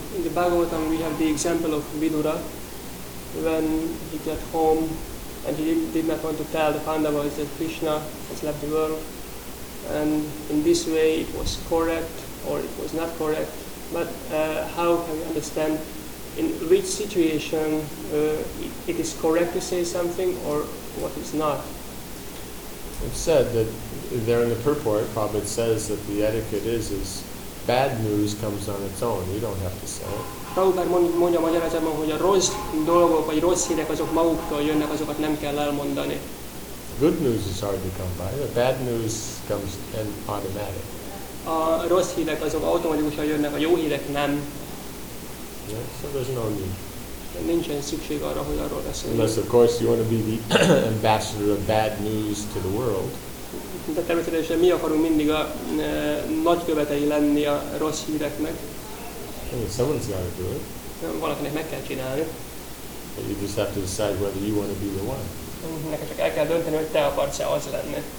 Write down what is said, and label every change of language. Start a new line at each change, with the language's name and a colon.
English: Bhagavatam, we have the example of Vidura when he got home and he did not want to tell the Pandavas that Krishna has left the world, and in this way it was correct or it was not correct, but how can we understand in which situation it is correct to say something or what is not? It's said that there in the purport, Prabhupada says that the etiquette is bad news comes on its own, you don't have to say it.
Hungarian: Prabhupada mondja a magyarázatban, hogy a rossz dolgok vagy rossz hírek azok maguktól jönnek, azokat nem kell elmondani.
English: Good news is hard to come by, the bad news comes in automatic.
Hungarian: A rossz hírek azok automatikusan jönnek, a jó hírek nem.
English: Yeah, so there's no need.
Hungarian: De nincsen szükség arra, hogy arról beszéljünk.
English: Unless of course you want to be the ambassador of bad news to the world.
Hungarian: De természetesen mi akarunk mindig a nagykövetei lenni a rossz híreknek.
English: Someone's got to do it.
Hungarian: Valakinek meg kell csinálni.
English: But you just have to decide whether you want to be the one.
Hungarian: Neked csak el kell dönteni, hogy te akarsz-e az lenni.